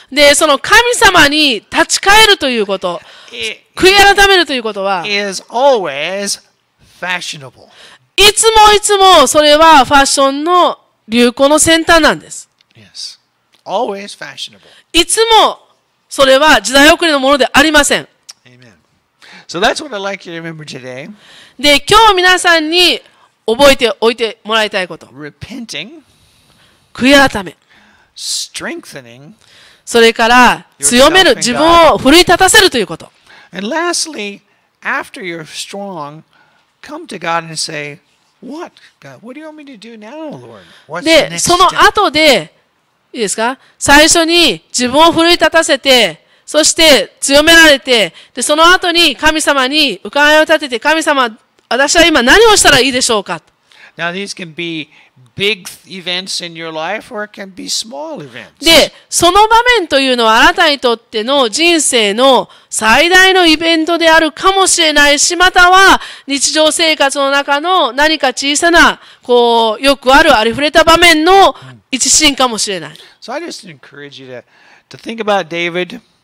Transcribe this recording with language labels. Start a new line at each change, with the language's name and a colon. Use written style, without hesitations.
Japanese: で、その神様に立ち返るということ、悔い改めるということは、
English: is always fashionable.
Japanese: いつもいつもそれはファッションの流行の先端なんです。
English: Yes. Always fashionable.
Japanese: いつもそれは時代遅れのものでありません。 Amen. So that's what I'd like you to remember today. で、今日皆さんに覚えておいてもらいたいこと。
English: Repenting,
Japanese: 悔い改め。
English: Strengthening,
Japanese: それから強める、自分を奮い立たせるということ。
English: And lastly, after you're strong, come to God and say, "What, God? What do you want me to do now, Lord?" What's the next step?
Japanese: で、その後で、いいですか？最初に自分を奮い立たせて、そして強められて、で、その後に神様に伺いを立てて、神様、私は今何をしたらいいでしょうか。
English: Now, these can be big events in your life, or it can be small events.
Japanese: で、その場面というのはあなたにとっての人生の最大のイベントであるかもしれないし、または日常生活の中の何か小さな、こう、よくあるありふれた場面の一シーンかもしれない。
English: So I just encourage you to think about David.